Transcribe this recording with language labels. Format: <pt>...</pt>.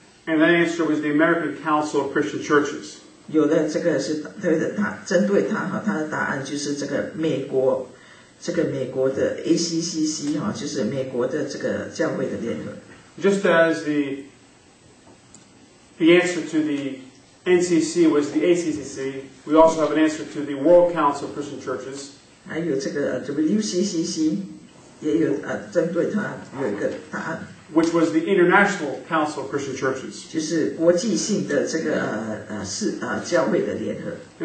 <en>And that answer was the American Council of Christian Churches.</en> <zh>有的这个是对的，他针对他哈，他的答案就是这个美国的ACCC哈，就是美国的这个教会的联合。</zh> <en>Just as the answer to the NCC was the ACCC, we also have an answer to the World Council of Christian Churches.</en> <zh>还有这个WCCC，也有针对他有一个答案。</zh> <en>Which was the International Council of Christian Churches.</en> <zh>就是国际性的这个教会的联合。</zh>